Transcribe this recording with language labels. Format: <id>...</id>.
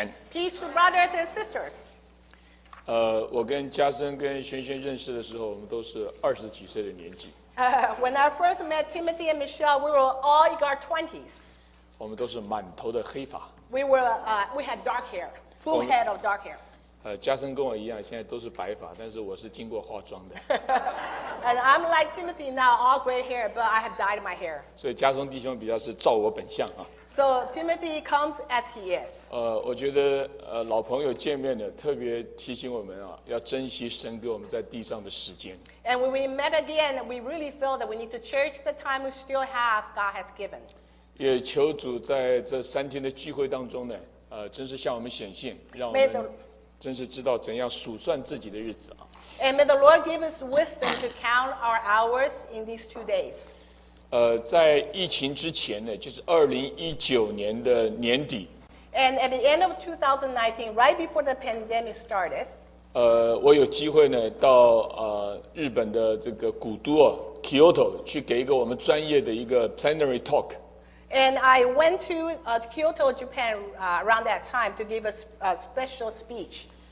<en>Peace to brothers and sisters.</en> <zh>我跟嘉森跟萱萱认识的时候，我们都是二十几岁的年纪。</zh> <en>When I first met Timothy and Michelle, we were all in our twenties.</en> <zh>我们都是满头的黑发。</zh> <en>We had dark hair, full head of dark hair.</en> <zh>嘉森跟我一样，现在都是白发，但是我是经过化妆的。</zh> <en>And I'm like Timothy now, all gray hair, but I have dyed my hair.</en> <zh>所以嘉森弟兄比较是照我本相啊。</zh> <en>So Timothy comes as he is.</en> <zh>我觉得老朋友见面的特别提醒我们啊，要珍惜神给我们在地上的时间。</zh> <en>And when we met again, we really feel that we need to cherish the time we still have God has given.</en> <zh>也求主在这三天的聚会当中呢，真是向我们显现，让我们真是知道怎样数算自己的日子啊。</zh> <en>And may the Lord give us wisdom to count our hours in these 2 days.</en> <zh>在疫情之前呢，就是2019年的年底。</zh> <en>And at the end of 2019, right before the pandemic started.</en> <zh>我有机会呢，到日本的这个古都啊 ，Kyoto 去给一个我们专业的一个 plenary talk.</zh> <en>And I went to Kyoto, Japan, around that time to give a special speech.</en>